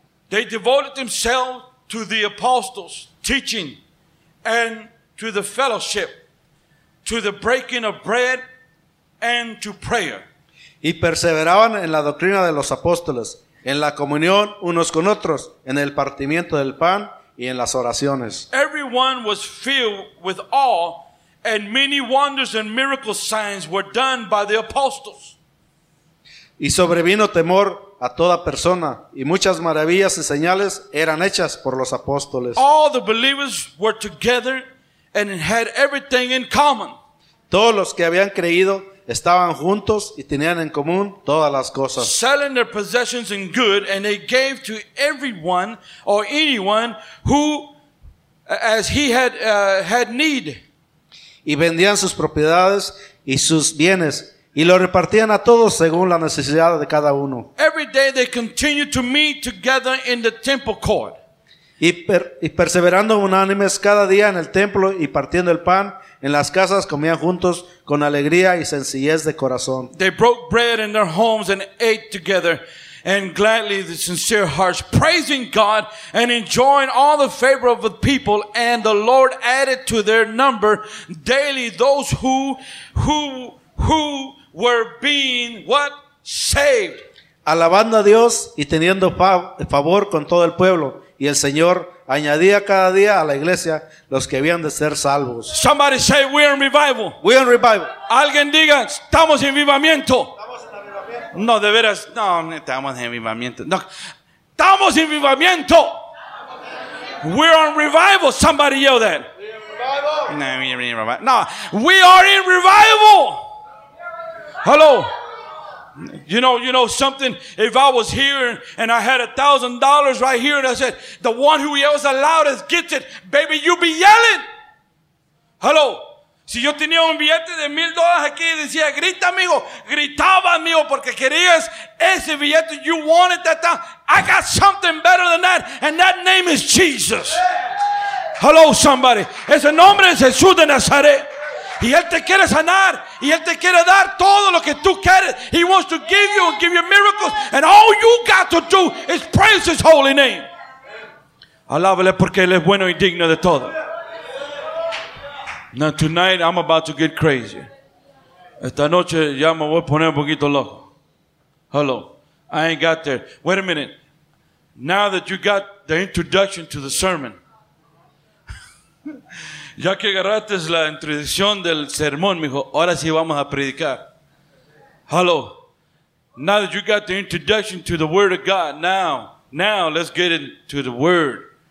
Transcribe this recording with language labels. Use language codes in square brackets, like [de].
[en] They devoted themselves to the apostles' teaching and to the fellowship, to the breaking of bread, and to prayer. [es] Y perseveraban en la doctrina de los apóstoles, en la comunión unos con otros, en el partimiento del pan, y en las oraciones. [en] Everyone was filled with awe, and many wonders and miracle signs were done by the apostles. [es] Y sobrevino temor a toda persona, y muchas maravillas y señales eran hechas por los apóstoles. [en] All the believers were together and had everything in common. [es] Todos los que habían creído estaban juntos y tenían en común todas las cosas. [en] Selling their possessions and good, and they gave to everyone or anyone who as he had need. [es] Y vendían sus propiedades y sus bienes y lo repartían a todos según la necesidad de cada uno. [en] Every day they continued to meet together in the temple court. [es] Y perseverando unánimes cada día en el templo y partiendo el pan, en las casas comían juntos con alegría y sencillez de corazón. [en] They broke bread in their homes and ate together and gladly with sincere hearts, praising God and enjoying all the favor of the people, and the Lord added to their number daily those who were being what? Saved. [es] Alabando a Dios y teniendo favor con todo el pueblo, y el Señor añadía cada día a la iglesia los que habían de ser salvos. [en] Somebody say we're in revival. We're in revival. [es] Alguien diga, estamos en vivamiento. Estamos en avivamiento. No, de veras, no, estamos en vivamiento. No. Estamos en vivamiento. [en] We're on revival. Somebody yell that. We're in revival. No, we are in revival. Hello. You know something? If I was here and I had $1,000 right here and I said, the one who yells the loudest gets it, baby, you be yelling. Hello. [es] Si yo tenía un billete de $1,000 aquí y decía, grita, amigo. Gritaba, amigo, porque querías ese billete. [en] You wanted that time. I got something better than that, and that name is Jesus. Hello, somebody. [es] Ese nombre es Jesús de Nazaret. Y él te quiere sanar. Y él te quiere dar todo lo que tú quieres. [en] He wants to give you and give you miracles. And all you got to do is praise his holy name. [es] Alábale porque él es bueno y digno de todo. [en] Now tonight I'm about to get crazy. [es] Esta noche ya me voy a poner un poquito loco. [en] Hello. I ain't got there. Wait a minute. Now that you got the introduction to the sermon. [es] Ya que agarraste la introducción del sermón, mijo, ahora sí vamos a predicar. [en] Hello. Now that you got the introduction to the word of God, now let's get into the word.